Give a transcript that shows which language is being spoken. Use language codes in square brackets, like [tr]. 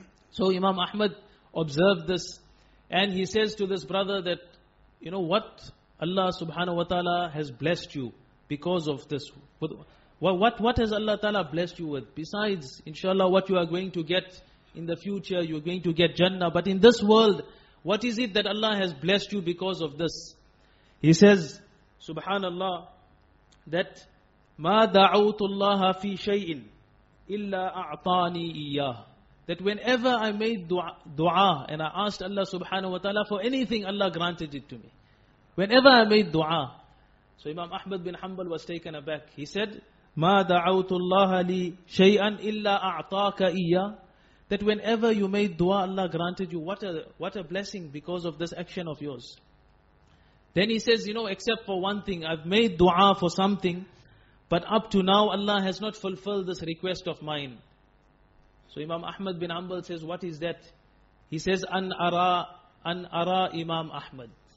[en] So Imam Ahmad observed this, and he says to this brother that, "You know what, Allah subhanahu wa ta'ala has blessed you because of this. What has Allah Ta'ala blessed you with? Besides, inshallah, what you are going to get in the future, you are going to get Jannah. But in this world, what is it that Allah has blessed you because of this? He says, subhanallah, that [ar] مَا دَعُوتُ اللَّهَ فِي شَيْءٍ إِلَّا أَعْطَانِي إِيَّهِ. [en] That whenever I made dua and I asked Allah subhanahu wa ta'ala for anything, Allah granted it to me. Whenever I made dua. So Imam Ahmad bin Hanbal was taken aback. He said, [ar] مَا دَعَوْتُ اللَّهَ لِي شَيْئًا إِلَّا أَعْطَاكَ إِيَّا. [en] That whenever you made dua, Allah granted you. What a blessing because of this action of yours. Then he says, you know, except for one thing, I've made dua for something, but up to now Allah has not fulfilled this request of mine. So Imam Ahmad bin Hanbal says, what is that? He says, An ara Imam Ahmad.